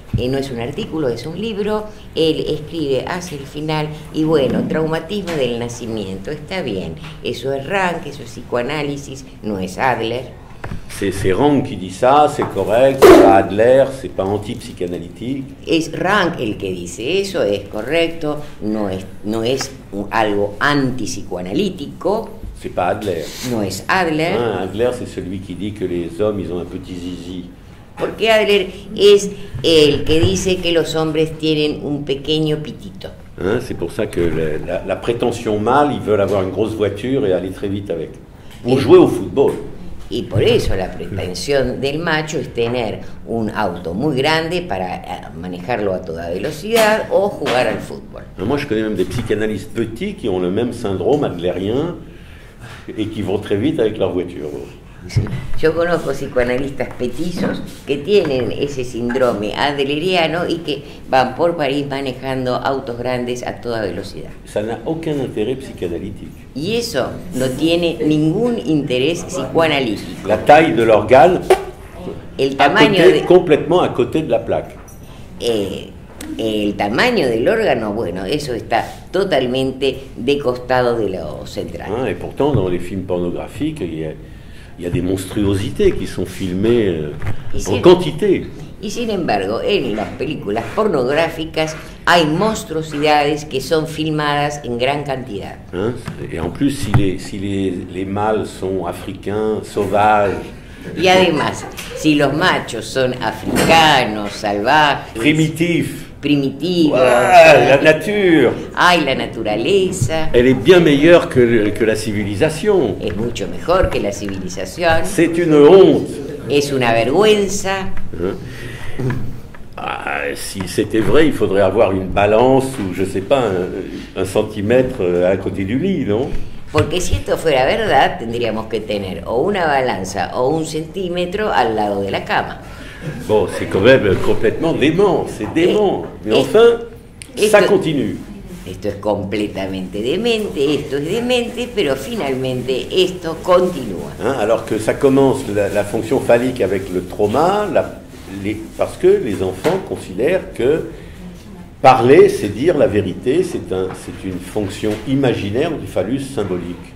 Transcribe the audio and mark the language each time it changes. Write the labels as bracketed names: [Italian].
[Spanish] No es un artículo, es un libro. Él escribe hacia el final y bueno, traumatismo del nacimiento, está bien. Eso es Rank, eso es psicoanálisis, no es Adler. [French] C'est Rank qui dit ça, c'est correct, c'est pas Adler, c'est pas anti-psychanalytique. [Spanish] Es Rank el que dice eso, es correcto, no es algo anti-psychoanalytique. [French] C'est pas Adler. [Spanish] No es Adler. [French] Hein, Adler, c'est celui qui dit que les hommes, ils ont un petit zizi. [Spanish] Porque Adler es el que dice que los hombres tienen un pequeño pitito. [French] Hein, c'est pour ça que la prétention mâle, ils veulent avoir une grosse voiture et aller très vite avec. Pour jouer au football. [Spanish] Y por eso la pretensión del macho es tener un auto muy grande para manejarlo a toda velocidad o jugar al fútbol. [French] Moi je connais même des psychanalystes petits qui ont le même syndrome adlérien et qui vont très vite avec leur voiture. [Spanish] Sí. Yo conozco psicoanalistas petizos que tienen ese síndrome adleriano y que van por París manejando autos grandes a toda velocidad. [French] Ça n'a aucun intérêt psychanalytique. [Spanish] Y eso no tiene ningún interés psicoanalítico. [French] La taille de l'organe, [Spanish] el tamaño de... [French] complètement à côté de la plaque. [Spanish] El tamaño del órgano, bueno, eso está totalmente de costado de lo central. [French] Ah, y pourtant, dans les films pornographiques, il y a des monstruosités qui sont filmées en quantité. [Spanish] Y sin embargo, en las películas pornográficas hay monstruosidades que son filmadas en gran cantidad. Hein? [French] Et en plus si les mâles sont africains, sauvages. [Spanish] Y además, si los machos son africanos, salvajes, primitivos. Wow, [French] la nature. [Spanish] Ay, la naturaleza. [French] Elle est bien meilleure que la civilisation. [Spanish] Es mucho mejor que la civilización. [French] C'est une honte. [Spanish] Es una vergüenza. [French] Ah, si c'était vrai, il faudrait avoir une balance ou je sais pas un centimètre à côté du lit, non? [Spanish] Porque si esto fuera verdad, tendríamos que tener o una balanza o un centímetro al lado de la cama. [French] Bon, c'est quand même complètement dément, c'est dément. Mais enfin, ça continue. [Spanish] Esto es completamente demente, esto es demente, pero finalmente esto continúa. [French] Hein, alors que ça commence la fonction phallique avec le trauma, parce que les enfants considèrent que parler, c'est dire la vérité, c'est une fonction imaginaire du phallus symbolique.